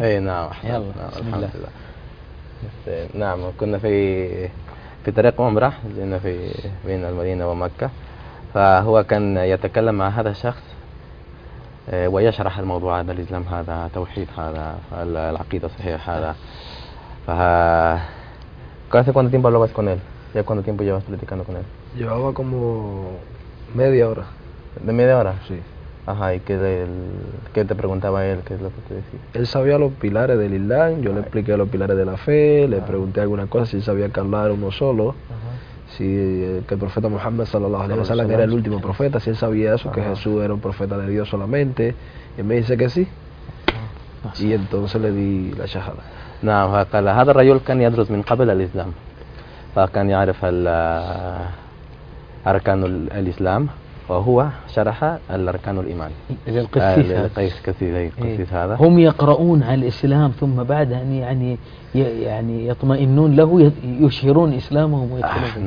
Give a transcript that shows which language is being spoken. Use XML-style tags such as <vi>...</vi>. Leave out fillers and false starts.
<ar>اي نعم الحمد لله نعم كنا في طريق عمره زينا في بين المدينه ومكه فهو كان يتكلم مع هذا الشخص ويشرح الموضوع هذا الإسلام هذا توحيد هذا العقيدة الصحيحة هذا فهذا كم</ar> <es>tiempo hablabas con él</es> <ar>يا</ar> <es>cuánto tiempo llevas platicando con él llevaba como media hora de media hora sí ajá y qué del qué te preguntaba él qué es lo que te decía él sabía los pilares del Islam yo le expliqué los pilares de la fe le pregunté algunas cosas si sabía que hablar uno solo si que el profeta Muhammad sallallahu alaihi wasallam era el último profeta, si él sabía eso, que Jesús era un profeta de Dios solamente, y me dice que sí. Y entonces le di la shahada.</es> <ar>نعم فقال هذا الرجل كان يدرس من قبل الإسلام فكان يعرف أركان الإسلام وهو شرح الأركان الإيمان للقسيس كثير القسيس هذا هم يقرؤون على الإسلام ثم بعد أن يعني يطمئنون له يشهرون إسلامهم ويدخلون</ar>